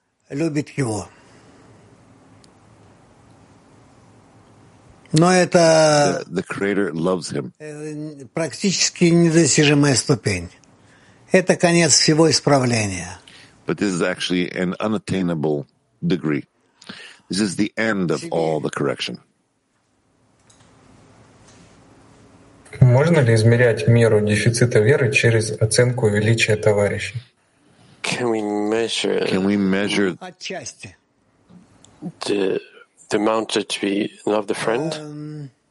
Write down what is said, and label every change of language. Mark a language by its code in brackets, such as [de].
[en] The Creator loves him. But this is actually an unattainable degree. This is the end of all the correction. [ru] Можно ли измерять меру дефицита веры через оценку величия товарища? [en] Can we measure the amount that we love the friend?